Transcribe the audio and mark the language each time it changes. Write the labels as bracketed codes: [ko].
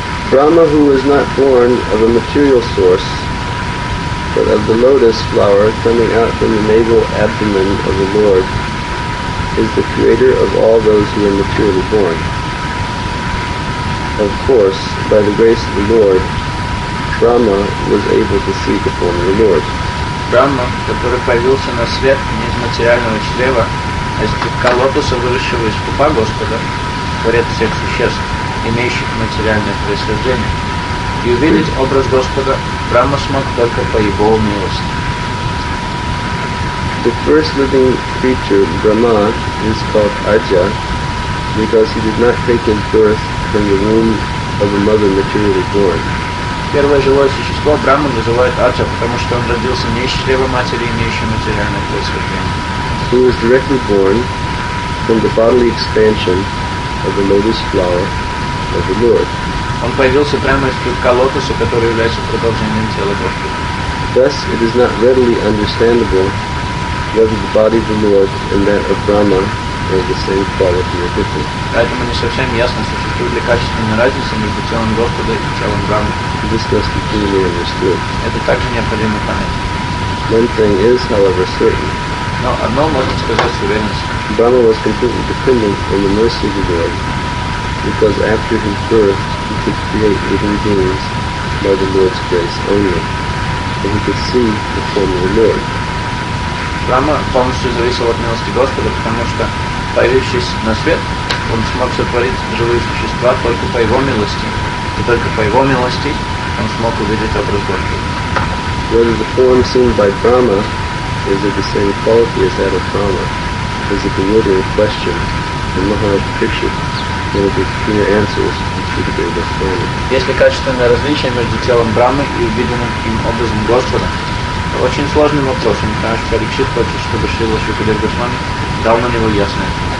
[en] Brahma, who is not born of a material source, but of the lotus flower coming out from the navel abdomen of the Lord, is the creator of all those who are materially born. Of course, by the grace of the Lord, Brahma was able to see the form of the Lord. [ru] Brahma, который появился на свет не из материального чрева, а из колотуса, выросшего из пупа Господа, творец всех существ, имеющих материальное происхождение, и увидеть образ Господа Брахма смог только по его милости. [en] The first living creature, Brahma, is called Ajna, because he did not take his birth from the womb of a mother materially born. [ru] Первое живое существо Брахма называют Ачна, потому что он родился не из чрева матери, имеющей материальное происхождение. [en] He was directly born from the bodily expansion of the lotus flower of the Lord. [ru] Он появился прямо из клубка лотоса, который является продолжением тела Господа. [en] Thus, it is not readily understandable whether the body of the Lord and that of Brahma are the same quality or different. [ru] Поэтому не совсем ясно, существует ли качественная разница между телом Господа и телом Брахмы. [en] This must be clearly understood. [ru] Это также необходимо понять. [en] One thing is, however, certain. [ru] Но одно можно сказать с уверенностью. [en] Brahma was completely dependent on the mercy of the Lord, because after his birth, he could create living beings by the Lord's grace only, and he could see the form of the Lord. [ru] Брахма полностью зависел от милости Господа, потому что, появившись на свет, он смог сотворить живые существа только по его милости. И только по его милости он смог увидеть образ Господа. [en] Whether the form seen by Brahma is of the same quality as that of Brahma is a bewildering question. The Mahārāja pictured one of the clear answers to the Vedic story. [ru] Есть ли качественное различие между телом Брахмы и увиденным им образом Господа? Очень сложный вопрос, и Махарадж Парикшит хочет, чтобы Шрила Шукадев Госвами дал на него ясное.